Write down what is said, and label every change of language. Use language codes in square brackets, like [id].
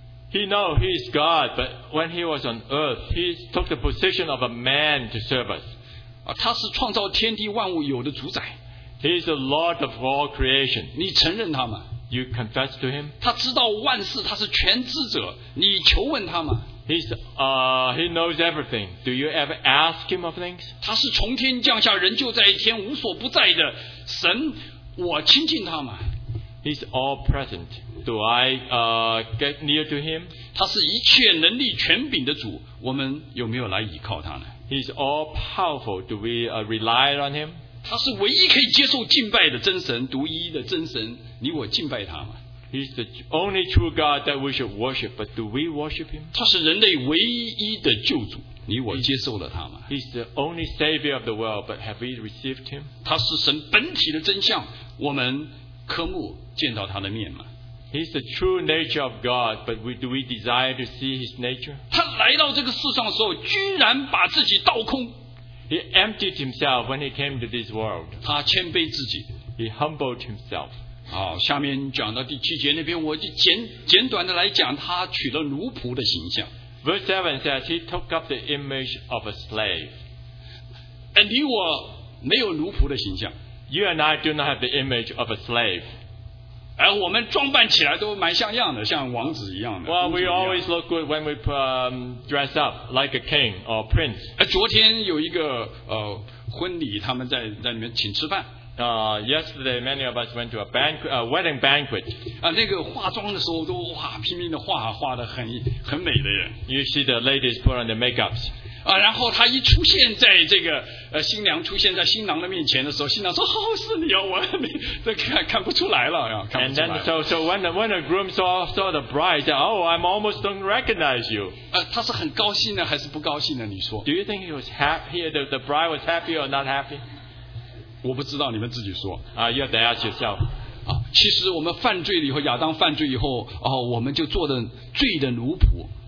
[en] He knows he is God, but when he was on earth, he took the position of a man to serve us. [zh] 他是创造天地万物有的主宰。 [en] He is the Lord of all creation. [zh] 你承认他吗？ [en] You confess to him? [zh] 他知道万事，他是全知者，你求问他吗？ [en] He knows everything. Do you ever ask him of things? [zh] 他是从天降下，人就在一天，无所不在的神，我亲近他吗？ [en] He's all present. Do I get near to him? [zh] 他是一切能力权柄的主，我们有没有来依靠他呢？ [en] He's all powerful. Do we rely on him? [zh] 他是唯一可以接受敬拜的真神，独一的真神，你我敬拜他吗？ [en] He's the only true God that we should worship, but do we worship him? [zh] 他是人类唯一的救主，你我接受了他吗？ [en] He's the only savior of the world, but have we received him? [zh] 他是神本体的真相，我们渴慕见到他的面吗？ [en] He's the true nature of God, but do we desire to see his nature? [zh] 他来到这个世上的时候，居然把自己倒空。 [en] He emptied himself when he came to this world. [zh] 他谦卑自己。 [en] He humbled himself. [zh] 好，下面讲到第七节那边，我就简短的来讲，他取了奴仆的形象。 [en] Verse 7 says he took up the image of a slave. [zh] 你我没有奴仆的形象。 [en] You and I do not have the image of a slave. [zh] 我们装扮起来都蛮像样的，像王子一样的。 [en] Well, we always look good when we dress up like a king or prince. [zh] 昨天有一个婚礼，他们在里面请吃饭。 [en] Yesterday, many of us went to a wedding banquet. [zh] 那个化妆的时候都哇拼命的化，化得很美的人。 [en] You see the ladies put on the makeups. [zh] 然后他一出现在这个新娘出现在新郎的面前的时候，新郎说：“哦，是你哦，我这看不出来了呀。” [en] And then so when the groom saw the bride, said, "Oh, I'm almost don't recognize you." [zh] 他是很高兴呢，还是不高兴呢？你说 [en] ？Do you think he was happy? The bride was happy or not happy? [zh] 我不知道，你们自己说。 [en] You have to ask yourself. [zh] 其实我们犯罪了以后，亚当犯罪以后，我们就做的罪的奴仆。